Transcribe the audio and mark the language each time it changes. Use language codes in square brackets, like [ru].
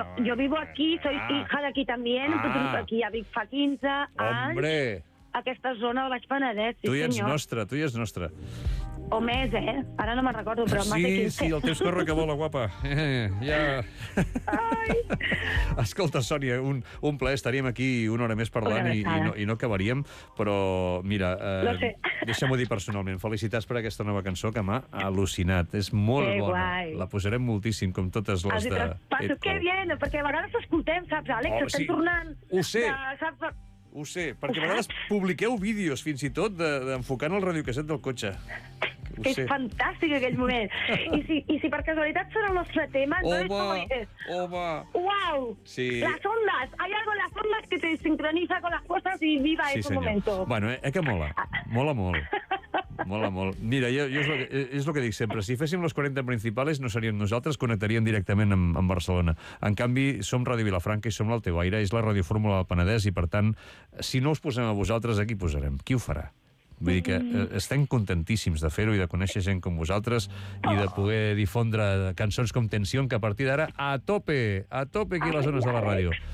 [es] yo vivo aquí, soy hija de aquí también, aquí [ca] a Vic fa 15 anys. [es] Hombre. [ca] Aquesta zona del Baix Penedès, sí, tu ja ets nostra, tu ja ets nostra. O més, eh? Ara no me'n recordo, però sí, m'ha de 15. Sí, el temps corre que vola, guapa. Ja. Ai. Escolta, Sònia, un plaer, estaríem aquí una hora més parlant i no acabaríem, però mira, deixa'm-ho dir personalment. Felicitats per aquesta nova cançó que m'ha al·lucinat. És molt que bona. Guai. La posarem moltíssim, com totes les de... [es] Que bien, [ca] perquè a vegades escoltem, saps, Àlex? Oh, estem tornant... Ho sé. Ho sé, perquè a vegades publiqueu vídeos, fins i tot, d'enfocant el radiocasset del cotxe. Que és fantàstic, aquell moment. I si per casualitat serà el nostre tema... Home, Uau! Sí. [es] Las ondas. Hay algo en las ondas que te sincroniza con las cosas y viva sí, ese momento. [ca] Bueno, que mola. Mola molt. Mola molt. Mira, jo és el que dic sempre. Si féssim les 40 principals, no seríem nosaltres, connectaríem directament amb Barcelona. En canvi, som Ràdio Vilafranca i som l'Altebaire, és la radiofórmula del Penedès, i per tant, si no us posem a vosaltres, aquí posarem? Qui ho farà? Vull dir que estem contentíssims de fer-ho i de conèixer gent com vosaltres i de poder difondre cançons com Tensión, que a partir d'ara, a tope aquí a les zones de la ràdio.